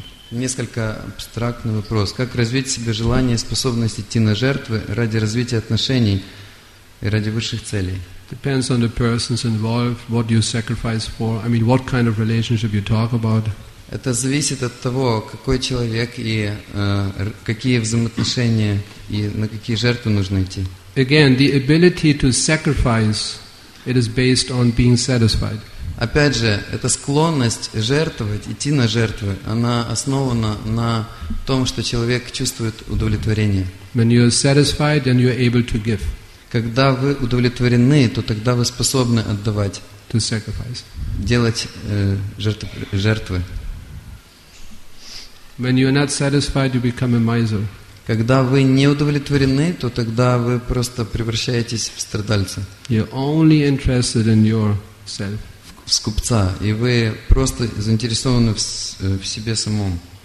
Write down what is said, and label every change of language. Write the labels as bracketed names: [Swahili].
[Russian] Несколько абстрактный вопрос. Как развить в себе желание и способность идти на жертвы ради развития отношений и ради высших целей? [English] Depends on the persons involved, what you sacrifice for, I mean, what kind of relationship you talk about. [Russian] Это зависит от того, какой человек и какие взаимоотношения и на какие жертвы нужно идти. [English] Again, the ability to sacrifice, it is based on being satisfied. [Russian] Опять же, эта склонность жертвовать, идти на жертвы, она основана на том, что человек чувствует удовлетворение. [English] When you are satisfied, then you are able to give. [Russian] Когда вы удовлетворены, то тогда вы способны отдавать. [English] To sacrifice. [Russian] Делать жертвы. [English] When you are not satisfied, you become a miser. [Russian] Когда вы не удовлетворены, то тогда вы просто превращаетесь в страдальца. [English] You are only interested in yourself. [Russian] Скупца, и вы просто заинтересованы в себе самом.